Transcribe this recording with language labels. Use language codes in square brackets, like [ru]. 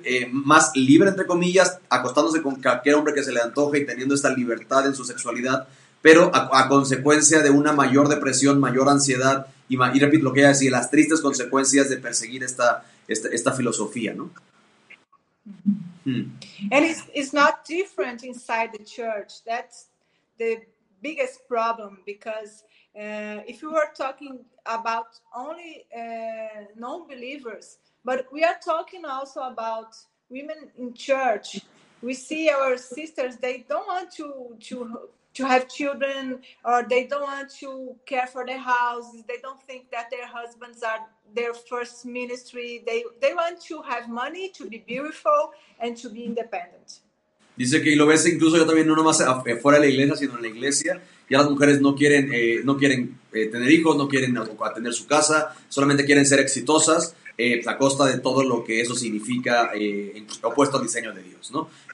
[es] Más libre, entre comillas, acostándose con cualquier hombre que se le antoje y teniendo esta libertad en su sexualidad, pero a consecuencia de una mayor depresión, mayor ansiedad, y repito lo que ella decía, las tristes consecuencias de perseguir esta filosofía, ¿no? [en] And it's not different inside the church. That's the biggest problem, because if you were talking about only non-believers, but we are talking also about women in church. We see our sisters, they don't want to have children, or they don't want to care for their houses. They don't think that their husbands are their first ministry. They want to have money, to be beautiful, and to be independent. [es] Dice que lo ves incluso yo también, no nomás fuera de la iglesia, sino en la iglesia. Ya las mujeres no quieren tener hijos, no quieren atender su casa, solamente quieren ser exitosas. A costa de todo lo que eso significa, opuesto al diseño de Dios, ¿no?